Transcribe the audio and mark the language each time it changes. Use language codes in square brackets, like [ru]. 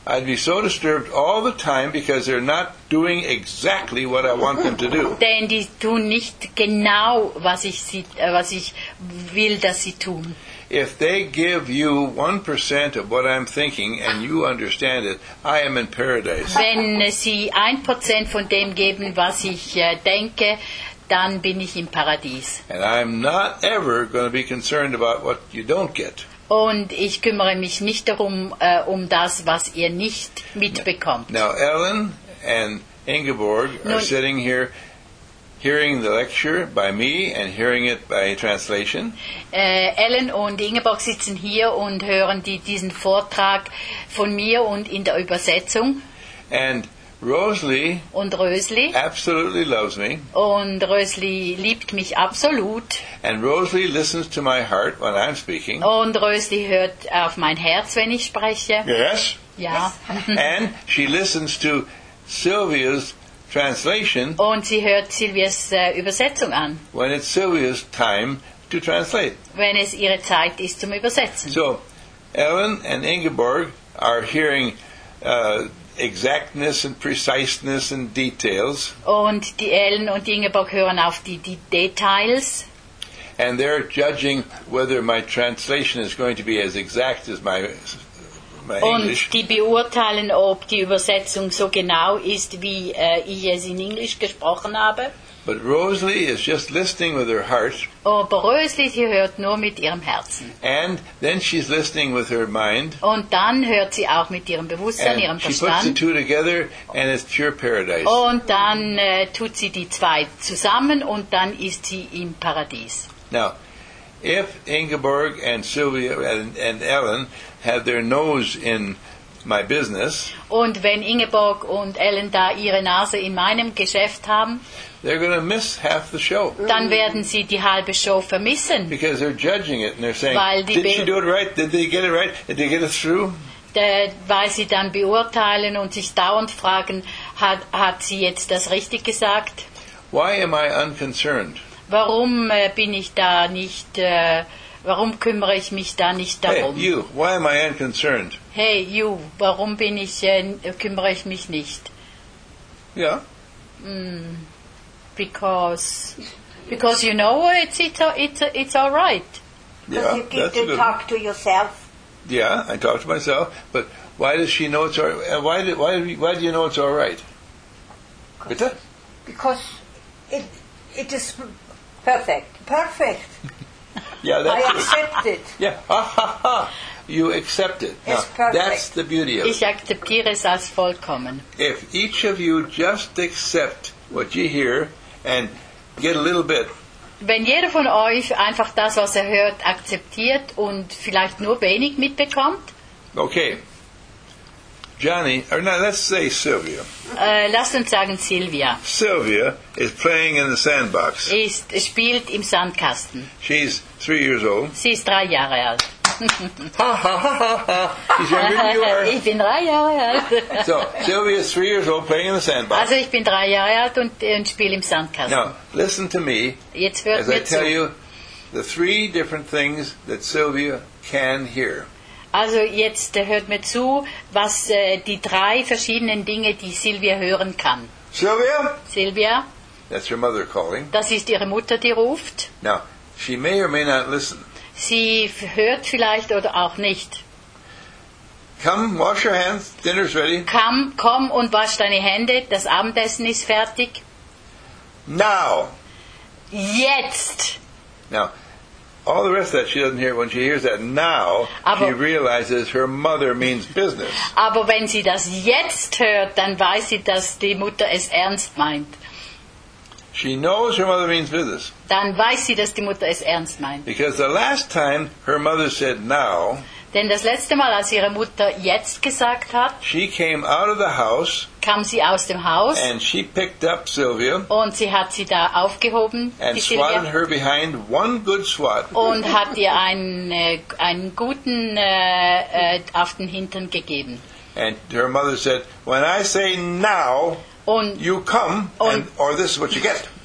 [en] I'd be so disturbed all the time because they're not doing exactly what I want them to do. [de] Denn die tun nicht genau, was ich will, dass sie tun. [en] If they give you 1% of what I'm thinking and you understand it, I am in paradise. [de] Wenn sie 1% von dem geben, was ich denke, dann bin ich im Paradies. [en] And I'm not ever going to be concerned about what you don't get. [de] Und ich kümmere mich nicht darum, um das, was ihr nicht mitbekommt. [en] Now, Ellen and Ingeborg are sitting here hearing the lecture by me and hearing it by translation. [de] Ellen und Ingeborg sitzen hier und hören diesen Vortrag von mir und in der Übersetzung. [en] And Rosalie [de] und Rösli [en] absolutely loves me. [de] Und Rösli liebt mich absolut. [en] And Rosalie listens to my heart when I'm speaking. [de] Und Rösli hört auf mein Herz, wenn ich spreche. [en] Yes. [de] Ja. [en] And she listens to Sylvia's translation. [de] Und sie hört Silvias Übersetzung an. [en] When it's Sylvia's time to translate. [de] Wenn es ihre Zeit ist zum Übersetzen. [en] So, Ellen and Ingeborg are hearing exactness and preciseness and details. [de] Und die Ellen und Ingeborg hören auf die Details. [en] And they're judging whether my translation is going to be as exact as my [de] und [en] English. [de] Die beurteilen, ob die Übersetzung so genau ist, wie ich es in Englisch gesprochen habe. [en] But Rosalie is just listening with her heart. [de] Aber Rosalie, sie hört nur mit ihrem Herzen. [en] And then she's listening with her mind. [de] Und dann hört sie auch mit ihrem Bewusstsein, [en] and [de] ihrem [en] she [de] Verstand. [en] She puts the two together, and it's pure paradise. [de] Und dann tut sie die zwei zusammen, und dann ist sie im Paradies. [en] Now, if Ingeborg and Sylvia and Ellen have their nose in my business. [de] Und wenn Ingeborg und Ellen da ihre Nase in meinem Geschäft haben, [en] they're going to miss half the show. [de] Dann werden sie die halbe Show vermissen. [en] Because they're judging it and they're saying, Did she do it right? Did they get it right? Did they get it through? [de] Weil sie dann beurteilen und sich dauernd fragen, hat sie jetzt das richtig gesagt? [en] Why am I unconcerned? [de] Warum bin ich da nicht warum kümmere ich mich da nicht darum? [en] Hey, you, why am I unconcerned? Hey, you, [de] warum bin ich, kümmere ich mich nicht? Ja. [en] Because you know it's all right. Yeah, you talk to yourself. Yeah, I talk to myself. But why does she know it's all right? Why do you know it's all right? [de] Bitte? [en] Because it is perfect. Perfect. Yeah, that's I accept it. Yeah, you accept it. It's perfect. That's the beauty of it. [de] Ich akzeptiere es als vollkommen. [en] If each of you just accept what you hear and get a little bit. [de] Wenn jeder von euch einfach das, was er hört, akzeptiert und vielleicht nur wenig mitbekommt. [en] Okay. Johnny, or no, let's say Sylvia. [de] Lasst uns sagen Sylvia. [en] Sylvia is playing in the sandbox. [de] Spielt im Sandkasten. [en] She's 3 years old. [de] Sie ist 3 Jahre alt. Ha, ha, ha, ha, ha. [en] He's younger than you are. [de] Ich bin 3 Jahre alt. [en] So, Sylvia is 3 years old playing in the sandbox. [de] Also, ich bin 3 Jahre alt und spiele im Sandkasten. [en] Now, listen to me. [de] Jetzt hört [en] as [de] mir [en] I tell [de] zu. [en] You the 3 different things that Sylvia can hear. [de] Also, jetzt hört mir zu, was die 3 verschiedenen Dinge, die Sylvia hören kann. [en] Sylvia? Sylvia? That's your mother calling. [de] Das ist ihre Mutter, die ruft. [en] Now, she may or may not listen. [de] Sie hört vielleicht oder auch nicht. [en] Come, wash your hands. Dinner's ready. [de] Komm und wasch deine Hände. Das Abendessen ist fertig. [en] Now. [de] Jetzt. [en] Now. All the rest of that she doesn't hear. When she hears that now, [de] aber, [en] she realizes her mother means business. [de] Aber wenn sie das jetzt hört, dann weiß sie, dass die Mutter es ernst meint. [en] She knows her mother means business. [de] Dann weiß sie, dass die Mutter es ernst meint. [en] Because the last time her mother said now, [de] denn das letzte Mal, als ihre Mutter jetzt gesagt hat, [en] she came out of the house, [de] kam sie aus dem Haus, [en] and she picked up Sylvia, [de] und sie hat sie da aufgehoben, [en] and swatted her behind one good swat, [de] und hat ihr einen guten auf den Hintern gegeben. [en] And her mother said, when I say now, [de] und, [en] you come, and, or this is what you get.